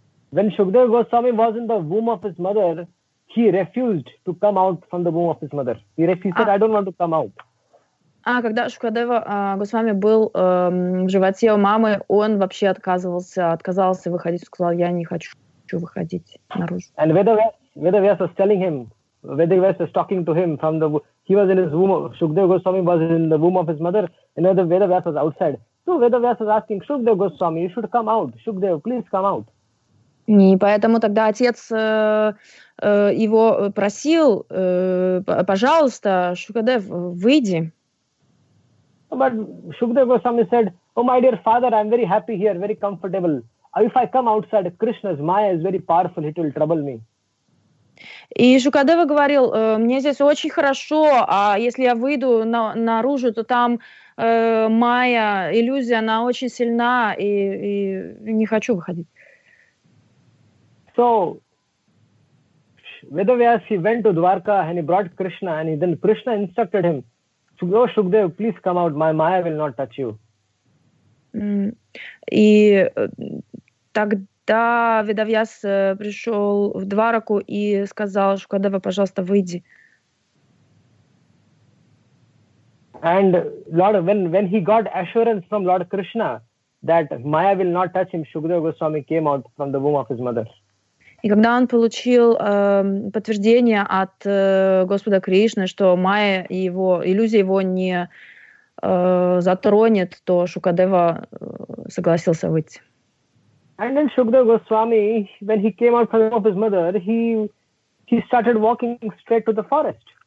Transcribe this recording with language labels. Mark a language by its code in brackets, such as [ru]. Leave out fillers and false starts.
[en] When Shukadeva Goswami was in the womb of his mother, he refused to come out from the womb of his mother. He refused, said, I don't want to come out. [ru] А когда Шукадева Госвами был в животе у мамы, он вообще отказался выходить, сказал, я не хочу выходить наружу. [en] And Vedavyas was telling him, Vedavyas was talking to him from the womb. He was in his womb. Shukadeva Goswami was in the womb of his mother, and Vedavyas was outside. So Vedavyas was asking, Shukadeva Goswami, you should come out. Shukadeva, please come out. [ru] И поэтому тогда отец его просил, пожалуйста, Шукадев, выйди. [en] But Shukadev Goswami said, oh, my dear father, I'm very happy here, very comfortable. If I come outside, Krishna's Maya is very powerful, it will trouble me. [ru] И Шукадева говорил, мне здесь очень хорошо, а если я выйду наружу, то там Майя, иллюзия, она очень сильна, и не хочу выходить. [en] So Vedavyas, he went to Dwarka and he brought Krishna and then Krishna instructed him, go Shukadev, please come out, my Maya will not touch you. [ru] И тогда Vedavyas пришел в Двараку и сказал, Шукадева, пожалуйста, выйди. [en] And Lord, when he got assurance from Lord Krishna that Maya will not touch him, Shukadeva Goswami came out from the womb of his mother. [ru] И когда он получил подтверждение от Господа Кришны, что Майя его, иллюзия его не затронет, то Шукадева согласился выйти. [en] And then Shukadeva Goswami, when he came out from his mother, he started walking straight to the forest.